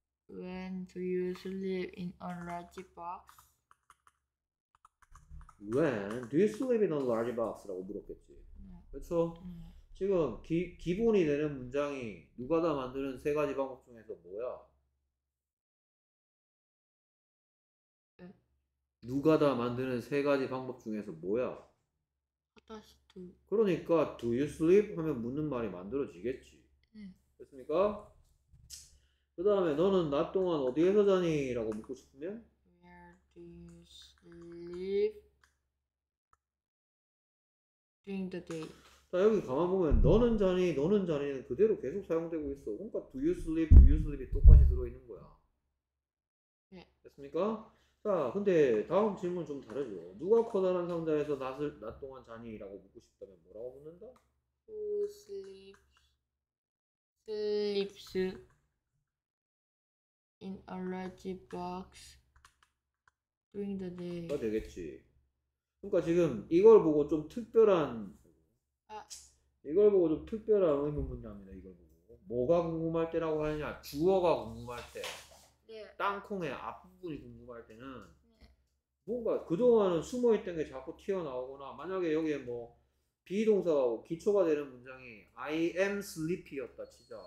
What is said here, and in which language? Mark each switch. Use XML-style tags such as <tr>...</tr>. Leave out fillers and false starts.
<en>When do you sleep in a large box? When do you sleep in a large box?</en> <ko>라고 물었겠지. 네. 그렇죠? 지금 기본이 되는 문장이 누가 다 만드는 세 가지 방법 중에서 뭐야? 누가 다 만드는 세 가지 방법 중에서 뭐야?</ko> <en>그러니까 Do you sleep?</en> <ko>하면 묻는 말이 만들어지겠지. 됐습니까? 그 다음에 너는 낮 동안 어디에서 자니? 라고 묻고 싶으면</ko> <en>Where do you sleep? During the day.</en> <ko>자, 여기 가만 보면 너는 자니? 너는 자니는 그대로 계속 사용되고 있어. 그러니까</ko> <en>Do you sleep? Do you sleep?</en> <ko>이 똑같이 들어있는 거야. 네. 됐습니까? 자, 근데 다음 질문 좀 다르죠. 누가 커다란 상자에서 낮 동안 자니? 라고 묻고 싶다면 뭐라고 묻는다?</ko> <en>Who sleeps? Sleeps in a large box during the day.</en> <ko>그러니까 되겠지. 그러니까 지금 이걸 보고 좀 특별한 이걸 보고 좀 특별한 의문 문장입니다. 이걸 보고 뭐가 궁금할 때라고 하느냐, 주어가 궁금할 때, 네. 땅콩의 앞부분이 궁금할 때는 뭔가 그동안은 숨어있던 게 자꾸 튀어나오거나, 만약에 여기에 뭐 비동사가 기초가 되는 문장이</ko> <en>I am sleepy</en> <ko>였다 치자.</ko>